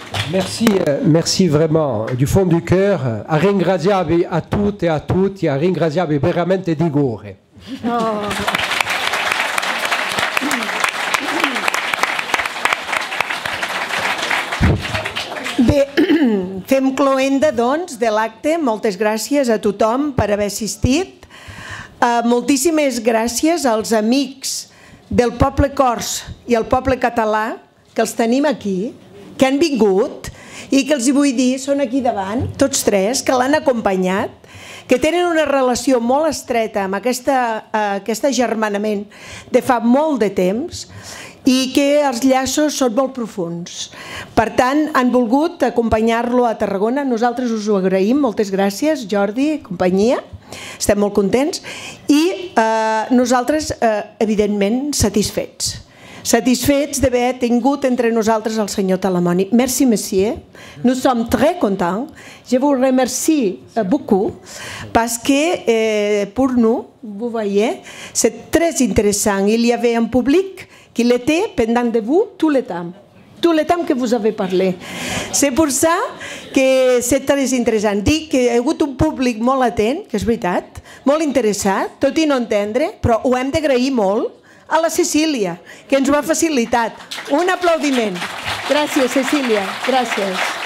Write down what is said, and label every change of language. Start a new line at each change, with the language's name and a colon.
French: Merci, merci vraiment du fond du cœur.
Italian: A ringraziare a tutte e a tutti, a ringraziare veramente di cuore.
Catalan: Bé, fem cloenda, doncs, de l'acte. Moltes gràcies a tothom per haver assistit. Moltíssimes gràcies als amics del poble cors i al poble català, que els tenim aquí, que han vingut i que els vull dir, són aquí davant, tots tres, que l'han acompanyat, que tenen una relació molt estreta amb aquest agermanament de fa molt de temps, i que els llaços són molt profuns. Per tant, han volgut acompanyar-lo a Tarragona. Nosaltres us ho agraïm. Moltes gràcies, Jordi i companyia. Estem molt contents. I nosaltres, evidentment, satisfets. Satisfets d'haver tingut entre nosaltres el senyor Talamoni.
French: Merci, monsieur. Nous sommes très contents. Je vous remercie beaucoup parce que pour nous, vous voyez, c'est très intéressant. Il y avait un public qui l'était pendant de vous tout le temps que vous avez parlé. C'est pour ça que c'est très intéressant.
Catalan: Dic que hi ha hagut un públic molt atent, que és veritat, molt interessat, tot i no entendre, però ho hem d'agrair molt a la Cecília, que ens ho ha facilitat. Un aplaudiment. Gràcies, Cecília. Gràcies.